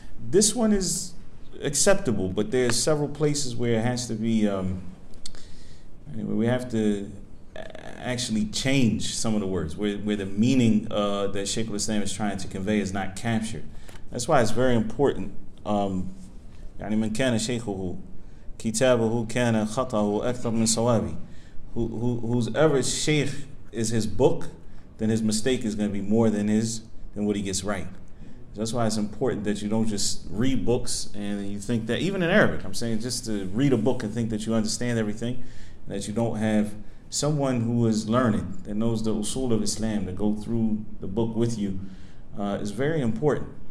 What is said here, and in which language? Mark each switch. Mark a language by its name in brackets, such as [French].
[English] This one is acceptable, but there's several places where it has to be, we have to actually change some of the words, where the meaning that Sheikh al-Islam is trying to convey is not captured. That's why it's very important. [Arabic] يعني من كان شيخه كتابه كان خطأه أكثر من صوابه. [English] Whoever sheikh is his book, then his mistake is going to be more than what he gets right. So that's why it's important that you don't just read books and you think that, even in Arabic, I'm saying just to read a book and think that you understand everything, that you don't have someone who is learning, that knows the usul of Islam, to go through the book with you, is very important.